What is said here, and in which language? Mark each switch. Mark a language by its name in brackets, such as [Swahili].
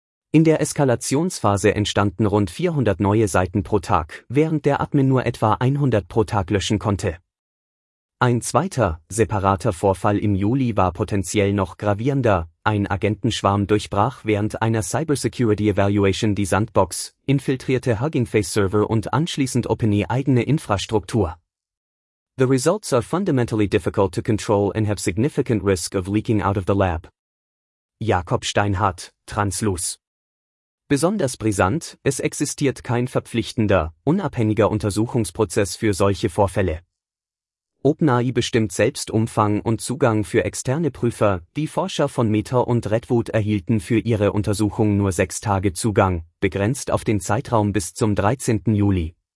[German] In der Eskalationsphase entstanden rund 400 neue Seiten pro Tag, während der Admin nur etwa 100 pro Tag löschen konnte. Ein zweiter, separater Vorfall im Juli war potenziell noch gravierender. Ein Agentenschwarm durchbrach während einer Cybersecurity Evaluation die Sandbox, infiltrierte Hugging Face Server und anschließend OpenAI eigene Infrastruktur. [English] The results are fundamentally difficult to control and have significant risk of leaking out of the lab. [German] Jakob Steinhardt, Translus. Besonders brisant, es existiert kein verpflichtender, unabhängiger Untersuchungsprozess für solche Vorfälle. OpenAI bestimmt selbst Umfang und Zugang für externe Prüfer, die Forscher von Meta und Redwood erhielten für ihre Untersuchung nur 6 Tage Zugang, begrenzt auf den Zeitraum bis zum 13. Juli.